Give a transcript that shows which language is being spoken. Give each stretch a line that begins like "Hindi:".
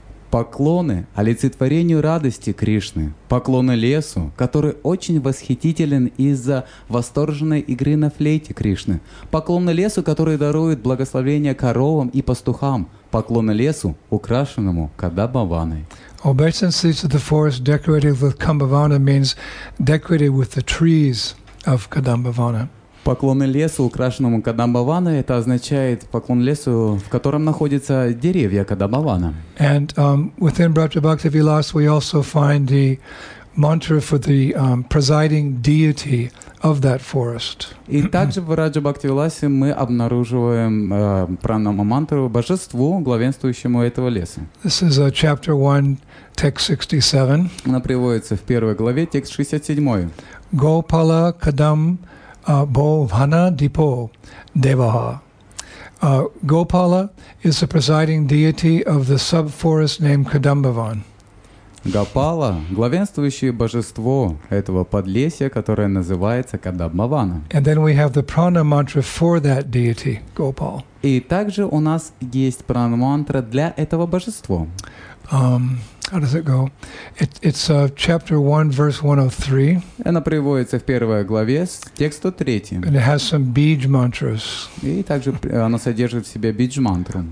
Russian: Поклоны олицетворению радости Кришны, поклоны лесу, который очень восхитителен из-за восторженной игры на флейте Кришны, поклоны лесу, который дарует благословение коровам и пастухам, поклоны лесу, украшенному Кадамбаваной.
English: Obeisance to the forest decorated with Kadambavana means decorated with the trees of Kadambavana.
Russian: Поклоны лесу, украшенному Кадамбаваной, это означает поклон лесу, в котором находятся деревья Кадамбавана.
English: And within Braj Bhakti Vilas we also find the mantra for the presiding deity of that forest.
Russian: И также в Braj Bhakti Vilase мы обнаруживаем пранама мантру божеству, главенствующему этого леса.
English: This is chapter 1, text 67.
Russian: Она приводится в первой главе, текст 67.
Sanskrit: Gopala Kadam Bhovana Dipo Devaha.
English: Gopala is the presiding deity of the sub-forest named Kadambavan.
Russian: Gopala, главенствующее божество этого подлесья, которое называется Кадамбавана.
English: And then we have the prana mantra for that deity, Gopal.
Russian: И также у нас есть прана мантра для этого божества.
English: How does it go? It's chapter 1, verse 103.
Russian: Она приводится в первой главе, текст 103.
English: And it has some bij mantras.
Russian: И также она содержит в себе бидж мантру.